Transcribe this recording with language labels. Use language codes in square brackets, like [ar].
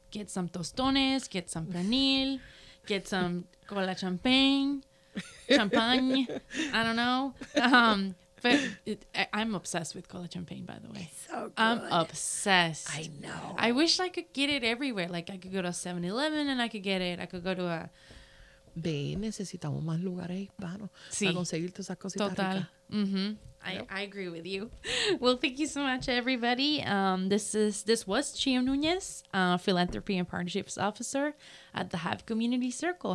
[en] Get some tostones, get some pernil, get some cola champagne. I don't know. I'm obsessed with cola champagne, by the way. It's so good. I'm obsessed. I know. I wish I could get it everywhere. Like, I could go to a 7-Eleven and I could get it. I could go to a... [es] Ve, necesitamos más lugares hispanos, sí, para conseguir todas esas cositas. Total. Ricas. [en] I agree with you. Well, thank you so much, everybody. This was Chío Núñez, Philanthropy and Partnerships Officer at the Hive Community Circle.